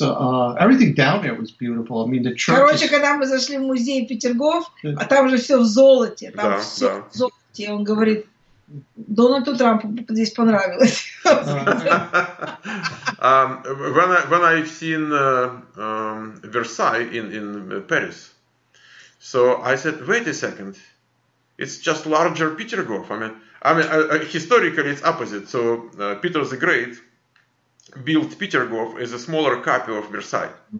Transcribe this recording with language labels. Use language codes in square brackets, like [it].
[en] Everything down there was beautiful. I mean, the church. [ru] Короче, когда мы зашли в музей Петергоф, а там же все в золоте, там все в золоте. Он говорит, Дональду Трампу здесь понравилось. [en] When I've seen Versailles in Paris, so I said, wait a second, it's just larger Petergof. I mean, historically it's opposite. So Peter the Great built Petergof as a smaller copy of Versailles.